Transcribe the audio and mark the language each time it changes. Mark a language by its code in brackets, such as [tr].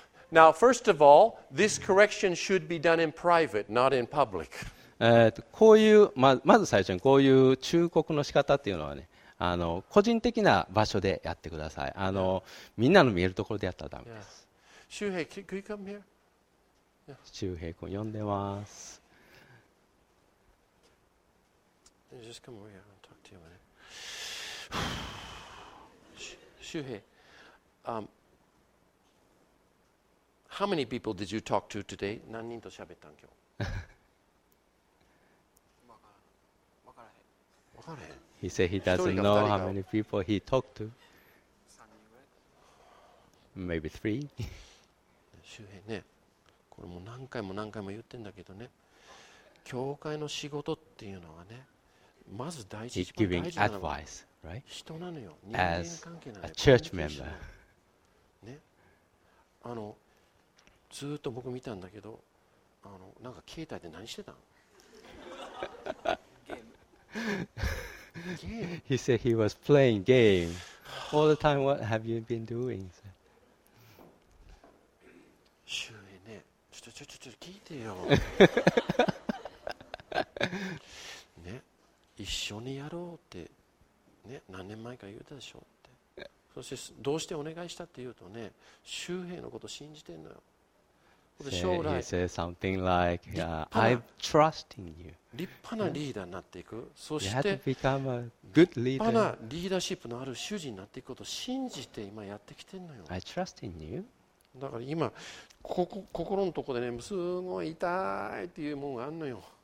[en] Now, first of all, this correction should be done in private, not in public. [ja] こういう、まず最初にこういう忠告の仕方っていうのはね。個人的な場所でやってください。みんなの見えるところでやったらダメです。周平、 [en] yeah. could you come here? [ja] 周平君呼んでます。 [en] Just come over here and talk to you about it. [ja] 周平、 [en] How many people did you talk to today? [ja] 何人と喋ったん今日？分からへん。 [en] He said he doesn't know how many people he talked to. Maybe three. [ja] 周平ね、これも何回も言ってんだけどね、教会の仕事っていうのはね、まず第一番大事なのは [en] advice, right? [ja] 人なのよ、人間関係なの。 [en] As a church member. [ja] ね、ずっと僕見たんだけど、なんか携帯で何してたの？ [en] He said he was playing game all the time. What have you been doing? [ja] ね、ちょっと聞いてよ。ね、一緒にやろうってね、何年前から言ったでしょって。そしてどうしてお願いしたって言うとね、周平のこと信じてんのよ。将来 [en] he said something like, I'm trusting you. [ja] 立派なリーダーになっていく。そして [en] you have to become a good leader. [ja] 立派なリーダーシップのある主人になっていくことを信じて今やってきてるのよ。 [en] I trust in you. [ja] だから今ここ心のところでね、すごい痛いっていうものがあるのよ。